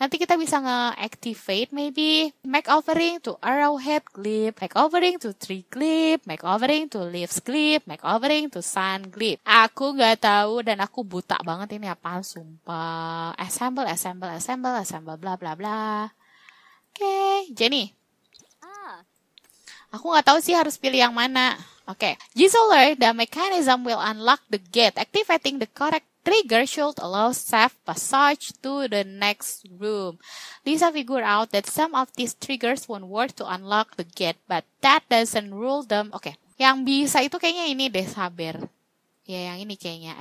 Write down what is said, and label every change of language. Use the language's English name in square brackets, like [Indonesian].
[Indonesian] Nanti kita bisa nge-activate, maybe. [English] Make offering to arrowhead glyph, make offering to tree glyph, make offering to leaves glyph, make offering to sun glyph. [Indonesian] Aku nggak tahu, dan aku buta banget ini apaan, sumpah. Assemble, bla bla bla. Oke, Jenny. Aku nggak tahu sih harus pilih yang mana. [English] Oke. Jisoo, the mechanism will unlock the gate. Activating the correct trigger should allow safe passage to the next room. Lisa figure out that some of these triggers won't work to unlock the gate, but that doesn't rule them. [Indonesian] Oke. Yang bisa itu kayaknya ini deh, sabar. Ya, yang ini kayaknya.